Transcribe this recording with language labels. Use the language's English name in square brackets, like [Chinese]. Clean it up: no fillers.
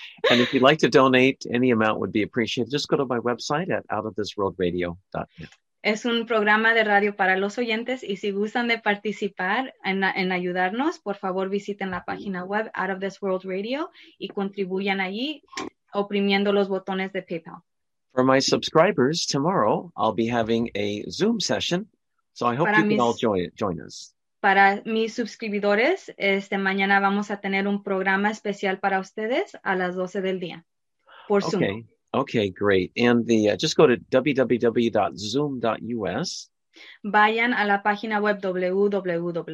[English] And if you'd like to donate, any amount would be appreciated. Just go to my website at outofthisworldradio.net. [Spanish] Es un programa de radio para los oyentes, y si gustan de participar en ayudarnos, por favor visiten la página web Out of This World Radio y contribuyan allí oprimiendo los botones de PayPal. [English] For my subscribers, tomorrow I'll be having a Zoom session, so I hope para you can all join us. [Spanish] Para mis suscriptores, mañana vamos a tener un programa especial para ustedes a las 12 del día por Zoom. [English] Okay, great. And just go to www.zoom.us. [Spanish] Vayan a la página web www.zoom.usa.